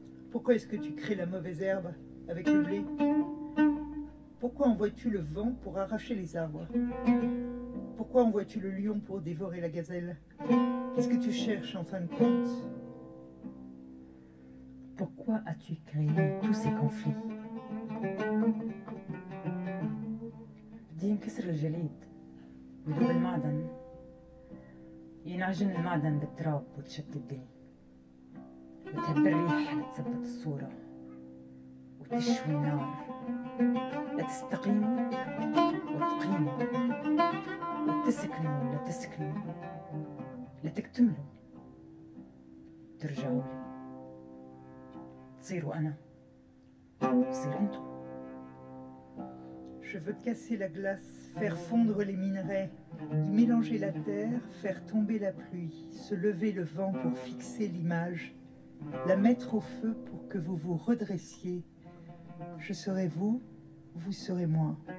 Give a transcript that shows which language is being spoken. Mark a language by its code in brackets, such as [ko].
[fr] Pourquoi est-ce que tu crées la mauvaise herbe avec le blé? Pourquoi envoies-tu le vent pour arracher les arbres? Pourquoi envoies-tu le lion pour dévorer la gazelle? Qu'est-ce que tu cherches en fin de compte? Pourquoi as-tu créé tous ces conflits? [ar] بدي نكسر الجليد ودوب المعدن ينعجن المعدن بالتراب وتشتت الدنيا وتهب الريح لتثبت الصورة وتشوي النار لتستقيم وتقيم وتسكنوا لتسكنوا لتكتملوا ترجعوا لي تصيروا أنا تصير أنتم. [fr] Je veux casser la glace, faire fondre les minerais, y mélanger la terre, faire tomber la pluie, se lever le vent pour fixer l'image, la mettre au feu pour que vous vous redressiez. Je serai vous, vous serez moi.